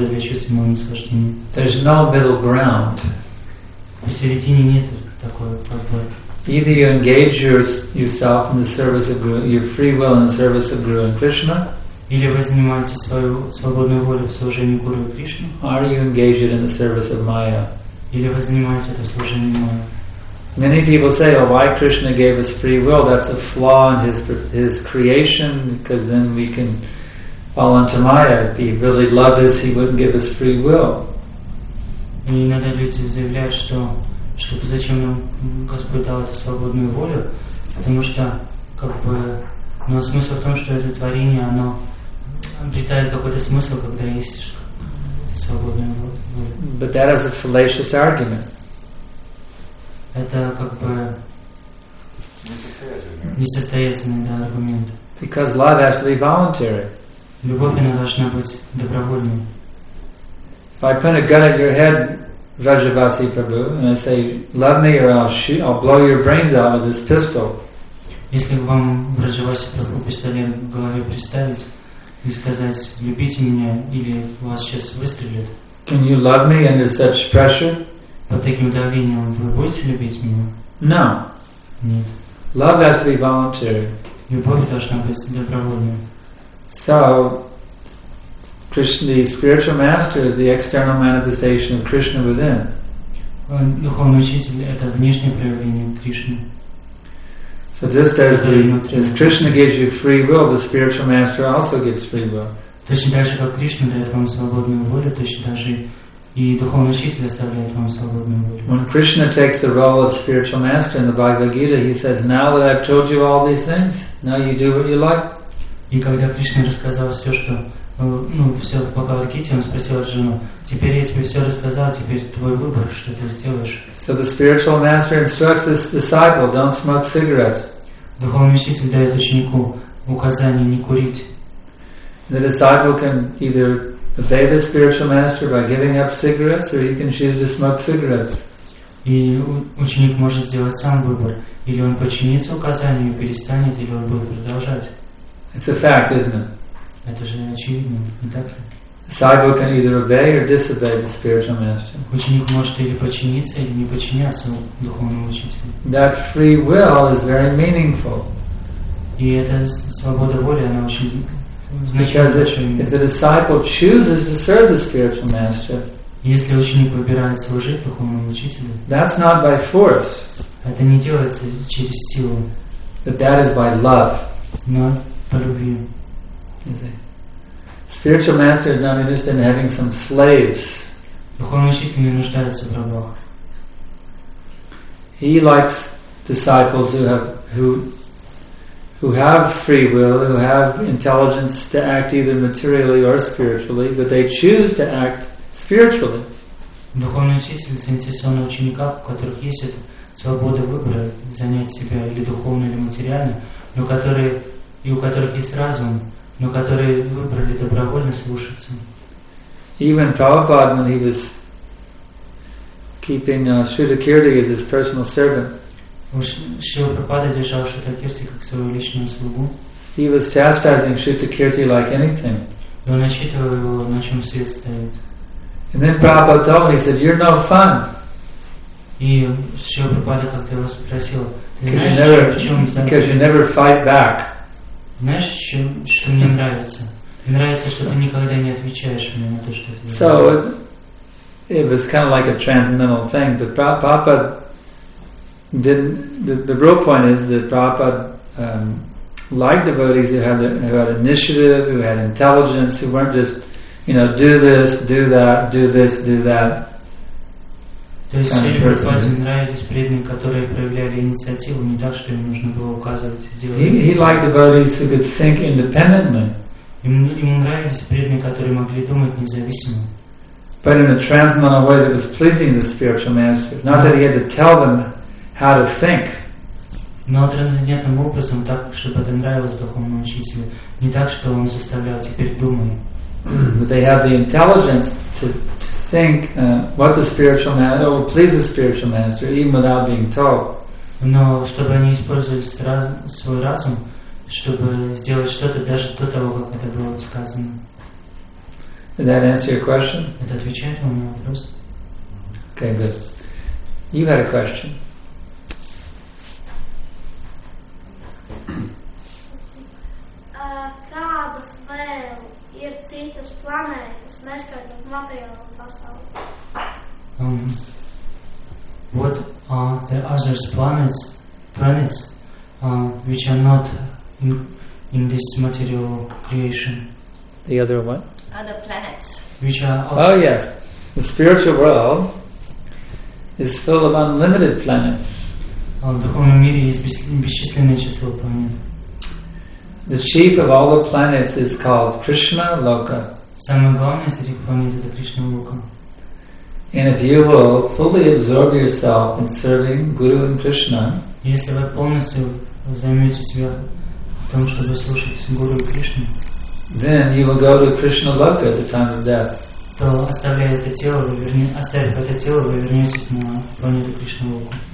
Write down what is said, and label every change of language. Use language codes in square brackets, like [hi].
[en] There's no middle ground. Either you engage yourself in the service of Guru, your free will in the service of Guru and Krishna, [ru] или вы занимаете свою свободную волю в служении Гуру и Кришне? [en] Or you engage it in the service of Maya? [ru] Или вы занимаете это в служении Майя? [en] Many people say, "Oh, why Krishna gave us free will? That's a flaw in his creation, because then we can fall into Maya. If he really loved us, he wouldn't give us free will." [ru] И иногда люди заявляют, что зачем нам Господь дал эту свободную волю, потому что как бы. Но смысл в том, что это творение, оно обретает какой-то смысл, когда есть свободная воля. [en] But that is a fallacious argument. [ru] Это как бы несостоятельный да, аргумент. [en] Because love has to be voluntary. [ru] Любовь она должна быть добровольной. [en] If I put a gun at your head, Rajavasi Prabhu, and I say, "Love me, or I'll blow your brains out with this pistol." [ru] Если бы вам образовался такой пистолет в голове представить и сказать, любите меня или вас сейчас выстрелят. [en] Can you love me under such pressure? [ru] Под таким давлением вы будете любить меня? [en] No. [ru] Нет. [en] Love has to be voluntary. [ru] Любовь должна быть добровольной. [en] So, Krishna, the spiritual master is the external manifestation of Krishna within. [ru] Духовный учитель — это внешнее проявление Кришны. [en] So just as Krishna gives you free will, the spiritual master also gives free will. [ru] Точно так же, как Кришна дает вам свободную волю, точно так же и духовный учитель оставляет вам свободную волю. [en] When Krishna takes the role of spiritual master in the Bhagavad Gita, he says, "Now that I've told you all these things, now you do what you like." [ru] И когда Кришна рассказал все, что все в Бхагавад Гите, он спросил Арджуну: "Теперь я тебе все рассказал, теперь твой выбор, что ты сделаешь?" [en] So the spiritual master instructs his disciple, "Don't smoke cigarettes." [ru] Духовный учитель дает ученику указание не курить. [en] The disciple can either obey the spiritual master by giving up cigarettes, or he can choose to smoke cigarettes. [ru] И ученик может сделать сам выбор, или он подчинится указанию и перестанет, или он будет продолжать. [en] It's a fact, isn't it? [ru] Это же очевидно, не так ли? [en] Disciple can either obey or disobey the spiritual master. [ru] Ученик может или подчиниться, или не подчиняться духовному учителю. [en] That free will is very meaningful. [ru] И эта свобода воли она очень значительная. [en] If the disciple chooses to serve the spiritual master, [ru] если ученик выбирает служить духовному учителю, [en] that's not by force. [ru] Это не делается через силу. [en] But that is by love. [ru] Но по любви. [en] Spiritual master is not interested in having some slaves. [ru] Духовный учитель не нуждается в рабах. [en] He likes disciples who have free will, who have intelligence to act either materially or spiritually, but they choose to act spiritually. [ru] Духовный учитель заинтересован в учениках, у которых есть эта свобода выбора занять себя или духовно, или материально, но которые и у которых есть разум. Но которые выбрали добровольно слушаться. [en] Even Prabhupada, when he was keeping Śrīla Kīrti as his personal servant, [ru] Śrīla Prabhupada держал Śrīla Kīrti как своего личного слугу. [en] He was chastising Śrīla Kīrti like anything. [ru] И он отчитывал его, на чем свет стоит. [en] And then Prabhupada told him, he said, "You're no fun." [ru] И Śrīla Prabhupada как-то его спросил, [en] "Because you never fight back." [ru] Знаешь, что мне нравится? Мне нравится, что ты никогда не отвечаешь мне на то, что ты. [en] So it was kind of like a transcendental thing, but Prabhupada the real point is that Prabhupada liked devotees who had initiative, who had intelligence, who weren't just, you know, do this, do that, do this, do that. [ru] То есть ей просто нравились преданные, которые проявляли инициативу, не так, что им нужно было указывать и сделать. [en] He liked devotees who could think independently. [ru] Ему нравились преданные, которые могли думать независимо. [en] But in a transcendental way that was pleasing to the spiritual master. Not that he had to tell them how to think. [ru] Но трансцендентным образом так, чтобы это нравилось духовному учителю, не так, что он заставлял теперь думать. [en] But they had the intelligence to think what the spiritual master will please the spiritual master even without being told. [ru] Но чтобы они использовали свой разум, чтобы сделать что-то даже до того, как это было сказано. [en] Did that answer your question? [ru] Это отвечает вам на вопрос? [en] Okay, good. You had a question. [lv] Kādas vēl ir citas planētas, neskaitot materiālo pasauli? [en] What are the other planets which are not in this material creation? The other what? Other planets. Which are also... Oh, yes. The spiritual world is full of unlimited planets. [ru] В духовном мире есть бесчисленное число планет. [en] The chief of all the planets is called Krishna Loka. [ru] Самый главный из этих планет это Кришна Лока. [en] And if you will fully absorb yourself in serving Guru and Krishna, [ru] если вы полностью займете себя тем, чтобы слушать Гуру и Кришну, [en] then you will go to Krishna Loka at the time of death. [ru] То оставив это тело, вы вернетесь на планету Кришна Лока.